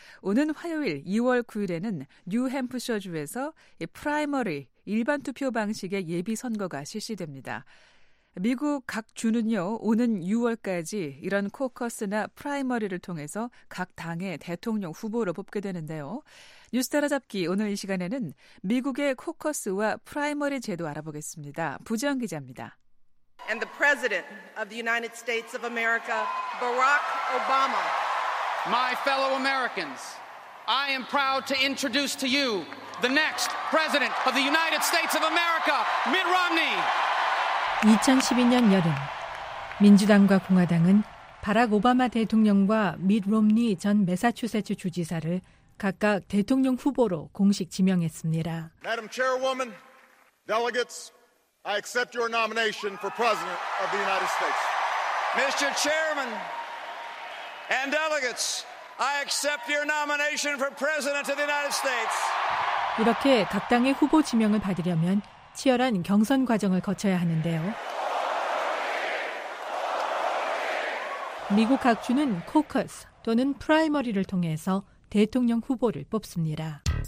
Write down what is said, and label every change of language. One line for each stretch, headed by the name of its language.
Korean: 오는 화요일 2월 9일에는 뉴햄프셔주에서 프라이머리 일반 투표 방식의 예비선거가 실시됩니다. 미국 각 주는요, 오는 6월까지 이런 코커스나 프라이머리를 통해서 각 당의 대통령 후보를 뽑게 되는데요. 뉴스 따라잡기 오늘 이 시간에는 미국의 코커스와 프라이머리 제도 알아보겠습니다. 부지영 기자입니다.
English: And the President of the United States of America, Barack Obama. My fellow Americans, I am proud to introduce to you the next President of the United States of America, Mitt Romney.
Korean: 2012년 여름, 민주당과 공화당은 바락 오바마 대통령과 밋 롬니 전 매사추세츠 주지사를 각각 대통령 후보로 공식 지명했습니다.
English: Madam Chairwoman, delegates, I accept your nomination for President of the United States. Mr. Chairman and delegates, I accept your nomination for President of the United States.
Korean: 이렇게 각 당의 후보 지명을 받으려면 치열한 경선 과정을 거쳐야 하는데요. 미국 각 주는 코커스 또는 프라이머리를 통해서 대통령 후보를 뽑습니다.